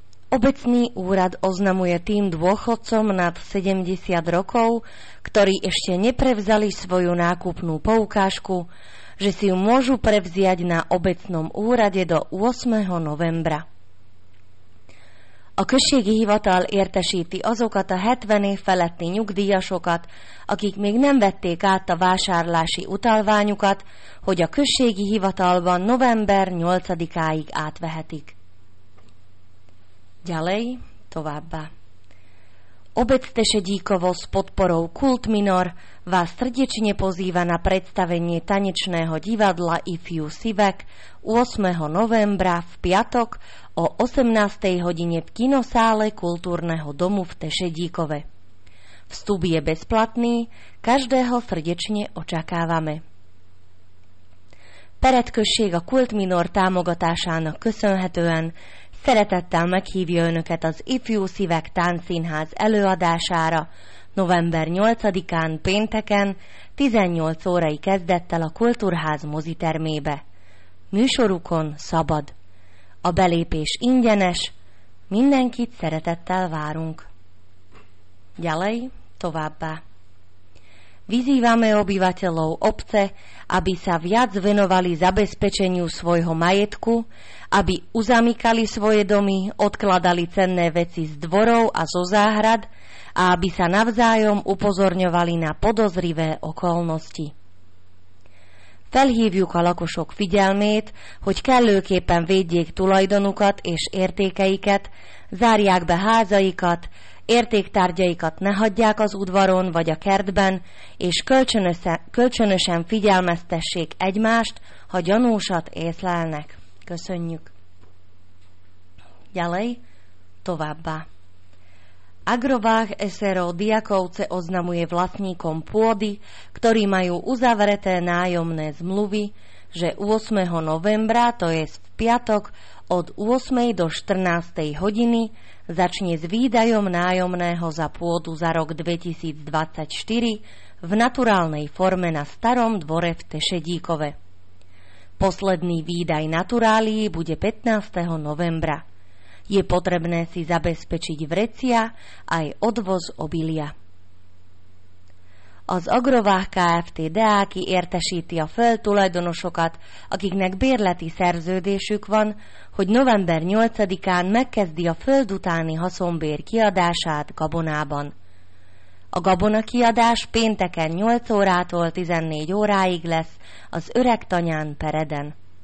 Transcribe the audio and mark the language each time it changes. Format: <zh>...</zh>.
<sk>Obecný úrad oznamuje tým dôchodcom nad 70 rokov, ktorí ešte neprevzali svoju nákupnú poukážku, že si ju môžu prevziať na obecnom úrade do 8. novembra.</sk> <hu>A községi hivatal értesíti azokat a 70 év feletti nyugdíjasokat, akik még nem vették át a vásárlási utalványukat, hogy a községi hivatalban november 8-áig átvehetik.</hu> <sk>Ďalej,</sk> <hu>továbbá.</hu> <sk>Obec Tešedíkovo s podporou Kult Minor vás srdečne pozýva na predstavenie tanečného divadla If You Sivek 8. novembra v piatok o 18. hodine v kinosále Kultúrneho domu v Tešedíkove. Vstup je bezplatný, každého srdečne očakávame.</sk> <hu>Peretkösség a Kult Minor támogatásának köszönhetően szeretettel meghívja önöket az Ifjú Szívek Táncszínház előadására november 8-án pénteken 18 órai kezdettel a Kultúrház mozitermébe. Műsorukon szabad. A belépés ingyenes. Mindenkit szeretettel várunk.</hu> <sk>Ďalej,</sk> <hu>továbbá.</hu> <sk>Vyzývame obyvateľov obce, aby sa viac venovali zabezpečeniu svojho majetku, aby uzamykali svoje domy, odkladali cenné veci z dvorov a zo záhrad a aby sa navzájom upozorňovali na podozrivé okolnosti.</sk> <hu>Felhívjuk a lakosok figyelmét, hogy kellőképpen védjék tulajdonukat és értékeiket, zárják be házaikat, értéktárgyaikat ne hagyják az udvaron vagy a kertben, és kölcsönösen figyelmeztessék egymást, ha gyanúsat észlelnek. Köszönjük!</hu> <sk>Ďalej,</sk> <hu>továbbá.</hu> <sk>Agrovách SRO Diakovce oznamuje vlastníkom pôdy, ktorí majú uzavreté nájomné zmluvy, že 8. novembra, to je v piatok, od 8. do 14. hodiny začne s výdajom nájomného za pôdu za rok 2024 v naturálnej forme na starom dvore v Tešedíkove. Posledný výdaj naturálií bude 15. novembra. Je potrebné si zabezpečiť vrecia aj odvoz obilia.</sk> <hu>Az Agrovách Kft. Deáki értesíti a földtulajdonosokat, akiknek bérleti szerződésük van, hogy november 8-án megkezdi a föld utáni haszonbér kiadását gabonában. A gabona kiadás pénteken 8 órától 14 óráig lesz az öreg tanyán Pereden.</hu>